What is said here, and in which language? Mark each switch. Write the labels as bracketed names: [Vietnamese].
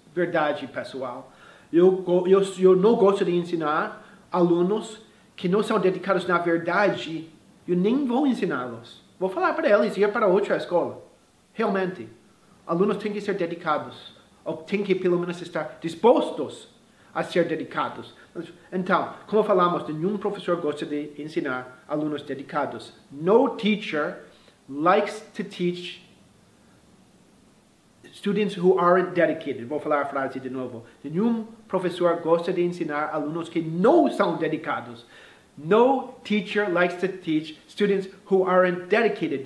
[Portuguese] Verdade, pessoal. Eu não gosto de ensinar alunos que não são dedicados na verdade, eu nem vou ensiná-los. Vou falar para eles ir para outra escola. Realmente, alunos têm que ser dedicados. Ou têm que, pelo menos, estar dispostos a ser dedicados. Então, como falamos, nenhum professor gosta de ensinar alunos dedicados. [English] No teacher likes to teach students who aren't dedicated. [Portuguese] Vou falar a frase de novo. Nenhum professor gosta de ensinar alunos que não são dedicados. [English] No teacher likes to teach students who aren't dedicated.